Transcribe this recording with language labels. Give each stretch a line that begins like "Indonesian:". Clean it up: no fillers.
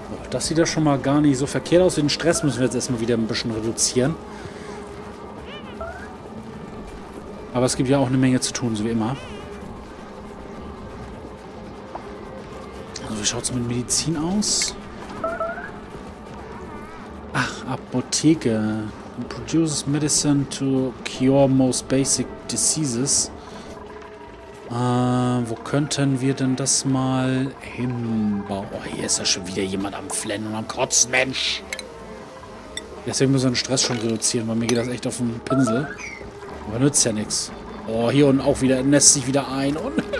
German: Das sieht ja schon mal gar nicht so verkehrt aus. Den Stress müssen wir jetzt erstmal wieder ein bisschen reduzieren. Aber es gibt ja auch eine Menge zu tun, so wie immer. Also, wie schaut es mit Medizin aus? Ach, Apotheke.
English: Produces medicine to cure most basic diseases.
German: Wo könnten wir denn das mal hinbauen? Oh, hier ist ja schon wieder jemand am Flennen und am Kotzen, Mensch! Deswegen müssen wir den Stress schon reduzieren, weil mir geht das echt auf den Pinsel. Aber nützt ja nichts. Oh, hier unten auch wieder, nässt sich wieder ein und...